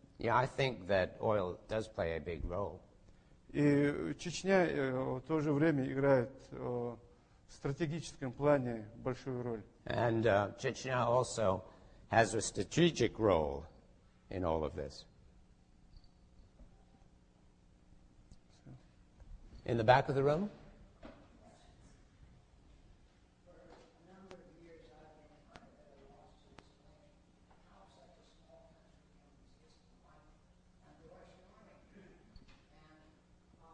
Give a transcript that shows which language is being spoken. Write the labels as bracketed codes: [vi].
[en] Yeah, I think that oil does play a big role. [ru] И Чечня в то же время играет в стратегическом плане большую роль. [en] And Chechnya also has a strategic role in all of this. In the back of the room? For a number of years, I've been kind of at a loss to explain how such a small country can exist under the Russian army.